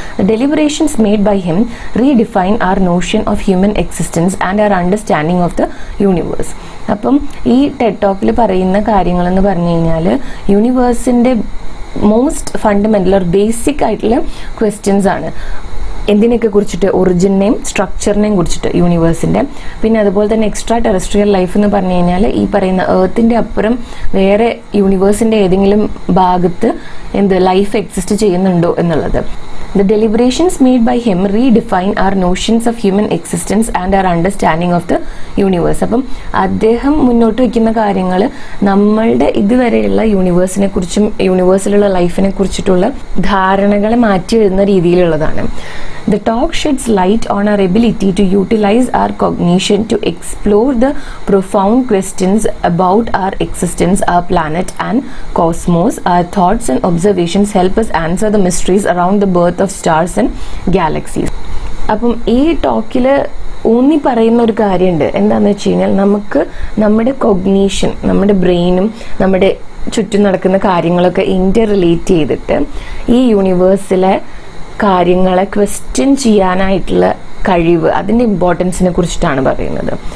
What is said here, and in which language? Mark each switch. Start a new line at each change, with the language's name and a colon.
English: The deliberations made by him redefine our notion of human existence and our understanding of the universe.
Malayalam: അപ്പം ഈ TED Talkൽ പറയുന്ന കാര്യങ്ങൾ എന്ന് പറഞ്ഞു കഴിഞ്ഞാൽ യൂണിവേഴ്സിൻ്റെ മോസ്റ്റ് ഫണ്ടമെൻ്റൽ ഓർ ബേസിക് ആയിട്ടുള്ള ക്വസ്റ്റ്യൻസ് ആണ്. എന്തിനെയൊക്കെ കുറിച്ചിട്ട്, ഒറിജിനെയും സ്ട്രക്ചറിനെയും കുറിച്ചിട്ട് യൂണിവേഴ്സിൻ്റെ. പിന്നെ അതുപോലെ തന്നെ എക്സ്ട്രാ ടെറസ്ട്രിയൽ ലൈഫ് എന്ന് പറഞ്ഞു കഴിഞ്ഞാൽ ഈ പറയുന്ന എർത്തിൻ്റെ അപ്പുറം വേറെ യൂണിവേഴ്സിൻ്റെ ഏതെങ്കിലും ഭാഗത്ത് എന്ത് ലൈഫ് എക്സിസ്റ്റ് ചെയ്യുന്നുണ്ടോ എന്നുള്ളത്.
English: The deliberations made by him redefine our notions of human existence and our understanding of the universe.
Malayalam: അപ്പം അദ്ദേഹം മുന്നോട്ട് വയ്ക്കുന്ന കാര്യങ്ങൾ നമ്മളുടെ ഇതുവരെയുള്ള യൂണിവേഴ്സിനെ കുറിച്ചും യൂണിവേഴ്സിലുള്ള ലൈഫിനെ കുറിച്ചിട്ടുള്ള ധാരണകളെ മാറ്റി എഴുതുന്ന രീതിയിലുള്ളതാണ്.
English: The talk sheds light on our ability to utilize our cognition to explore the profound questions about our existence, our planet and cosmos. Our thoughts and observations help us answer the mysteries around the birth of stars and galaxies.
Malayalam: അപ്പം ഈ ടോക്കിൽ ഊന്നി പറയുന്ന ഒരു കാര്യമുണ്ട്, എന്താന്ന് വെച്ച് കഴിഞ്ഞാൽ നമുക്ക് നമ്മുടെ കോഗ്നീഷൻ, നമ്മുടെ ബ്രെയിനും നമ്മുടെ ചുറ്റും നടക്കുന്ന കാര്യങ്ങളൊക്കെ ഇൻ്റർ റിലേറ്റ് ചെയ്തിട്ട് ഈ യൂണിവേഴ്സിലെ കാര്യങ്ങളെ ക്വസ്റ്റ്യൻ ചെയ്യാനായിട്ടുള്ള കഴിവ്, അതിൻ്റെ ഇമ്പോർട്ടൻസിനെ കുറിച്ചിട്ടാണ് പറയുന്നത്.